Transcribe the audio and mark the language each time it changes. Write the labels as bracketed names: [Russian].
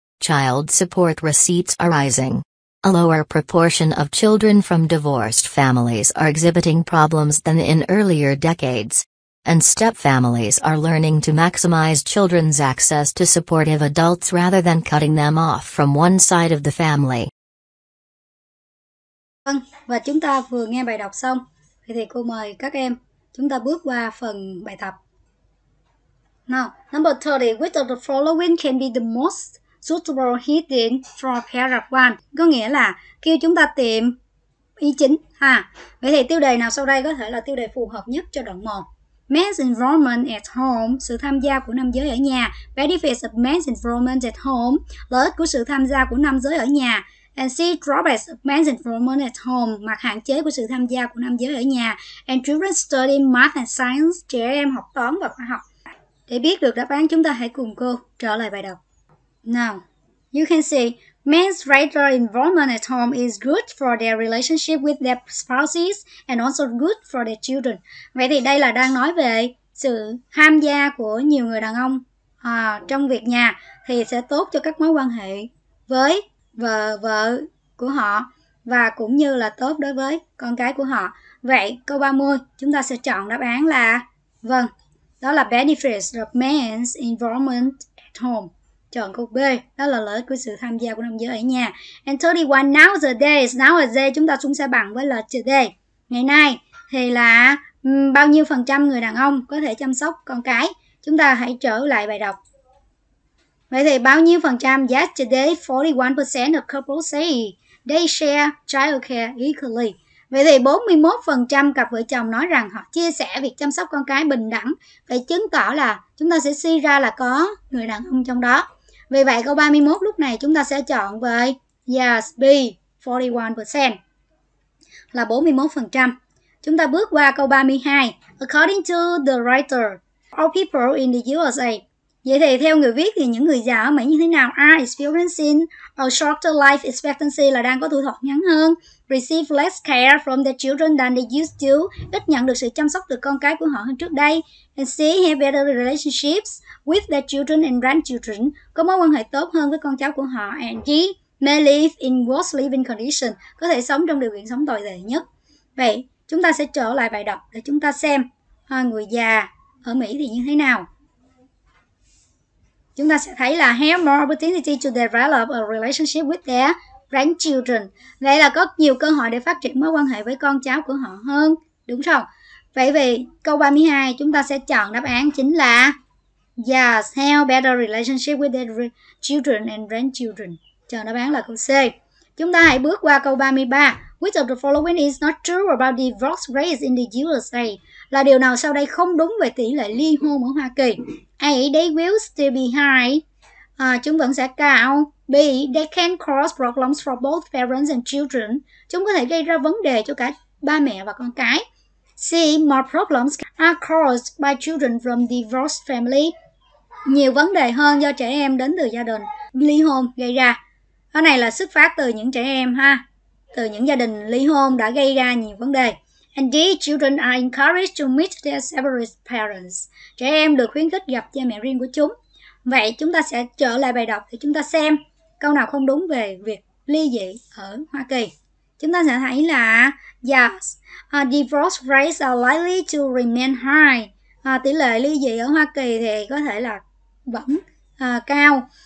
[English] Child support receipts are rising. A lower proportion of children from divorced families are exhibiting problems than in earlier decades. and stepfamilies are learning to maximize children's access to supportive adults rather than cutting them off from one side of the family. [Vietnamese] Vâng, và chúng ta vừa nghe bài đọc xong, vậy thì cô mời các em chúng ta bước qua phần bài tập. [English] Now, number 30, which of the following can be the most suitable heading for paragraph 1? [Vietnamese] Có nghĩa là kêu chúng ta tìm ý chính ha. Vậy thì tiêu đề nào sau đây có thể là tiêu đề phù hợp nhất cho đoạn 1? [English] Men's involvement at home, [Vietnamese] sự tham gia của nam giới ở nhà. [English] Benefits of men's involvement at home, [Vietnamese] lợi ích của sự tham gia của nam giới ở nhà. [English] And see drawbacks of men's involvement at home, [Vietnamese] mặt hạn chế của sự tham gia của nam giới ở nhà. [English] And children study math and science, [Vietnamese] trẻ em học toán và khoa học. Để biết được đáp án, chúng ta hãy cùng cô trở lại bài đọc. [English] Now, you can see men's greater involvement at home is good for their relationship with their spouses and also good for their children. [Vietnamese] Vậy thì đây là đang nói về sự tham gia của nhiều người đàn ông trong việc nhà thì sẽ tốt cho các mối quan hệ với vợ của họ và cũng như là tốt đối với con cái của họ. Vậy câu 30 chúng ta sẽ chọn đáp án là vâng, đó là [English] benefits of men's involvement at home. [Vietnamese] Chọn câu B, đó là lợi ích của sự tham gia của nam giới ở nhà. [English] And 31, nowadays, [Vietnamese] chúng ta xuống xe bằng với là today. Ngày nay thì là bao nhiêu phần trăm người đàn ông có thể chăm sóc con cái? Chúng ta hãy trở lại bài đọc. Vậy thì bao nhiêu phần trăm? [English] Yes, today 41% of couples say they share childcare equally. [Vietnamese] Vậy thì 41% cặp vợ chồng nói rằng họ chia sẻ việc chăm sóc con cái bình đẳng. Vậy chứng tỏ là chúng ta sẽ suy ra là có người đàn ông trong đó. Vì vậy câu 31 lúc này chúng ta sẽ chọn về yes, B, 41% là 41%. Chúng ta bước qua câu 32. [English] According to the writer, all people in the USA. [Vietnamese] Vậy thì theo người viết thì những người già ở Mỹ như thế nào? [English] Are experiencing a shorter life expectancy, [Vietnamese] là đang có tuổi thọ ngắn hơn. [English] Receive less care from their children than they used to, [Vietnamese] ít nhận được sự chăm sóc từ con cái của họ hơn trước đây. [English] And see have better relationships with their children and grandchildren, [Vietnamese] có mối quan hệ tốt hơn với con cháu của họ. [English] And he may live in worse living condition, [Vietnamese] có thể sống trong điều kiện sống tồi tệ nhất. Vậy chúng ta sẽ trở lại bài đọc để chúng ta xem người già ở Mỹ thì như thế nào. Chúng ta sẽ thấy là [English] have more opportunity to develop a relationship with their grandchildren. [Vietnamese] Vậy là có nhiều cơ hội để phát triển mối quan hệ với con cháu của họ hơn. Đúng không? Vậy vì câu 32 chúng ta sẽ chọn đáp án chính là yes, [English] have better relationship with their children and grandchildren. [Vietnamese] Chọn đáp án là câu C. Chúng ta hãy bước qua câu 33. [English] Which of the following is not true about divorce rates in the USA? [Vietnamese] Là điều nào sau đây không đúng về tỷ lệ ly hôn ở Hoa Kỳ? [English] A, they will still be high. [Vietnamese] Chúng vẫn sẽ cao. [English] B, they can cause problems for both parents and children. [Vietnamese] Chúng có thể gây ra vấn đề cho cả ba mẹ và con cái. [English] C, more problems are caused by children from divorced family. [Vietnamese] Nhiều vấn đề hơn do trẻ em đến từ gia đình ly hôn gây ra. Cái này là xuất phát từ những trẻ em ha. Từ những gia đình ly hôn đã gây ra nhiều vấn đề. [English] And these children are encouraged to meet their separate parents. [Vietnamese] Trẻ em được khuyến khích gặp cha mẹ riêng của chúng. Vậy chúng ta sẽ trở lại bài đọc để chúng ta xem câu nào không đúng về việc ly dị ở Hoa Kỳ. Chúng ta sẽ thấy là [English] yes, divorce rates are likely to remain high. [Vietnamese] Tỷ lệ ly dị ở Hoa Kỳ thì có thể là vẫn cao.